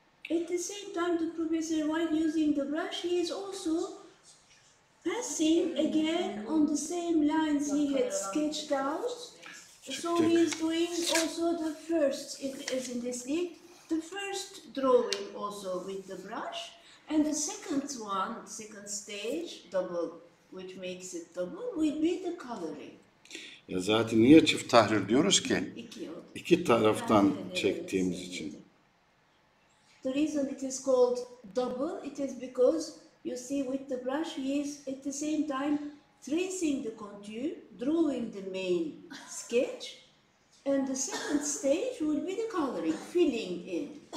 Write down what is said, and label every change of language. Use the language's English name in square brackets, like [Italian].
[English] At the same time, the professor, while using the brush, he is also passing again on the same lines he had sketched out. So he is doing also the first, as in this league, the first drawing also with the brush, and the second one, second stage, double, which makes it double, will be the coloring. [Turkish] Ya zaten niye çift tahrir diyoruz ki? İki taraftan çektiğimiz için. [English] The reason it is called double, it is because, you see, with the brush he is at the same time tracing the contour, drawing the main sketch, and the second stage will be the coloring, filling in.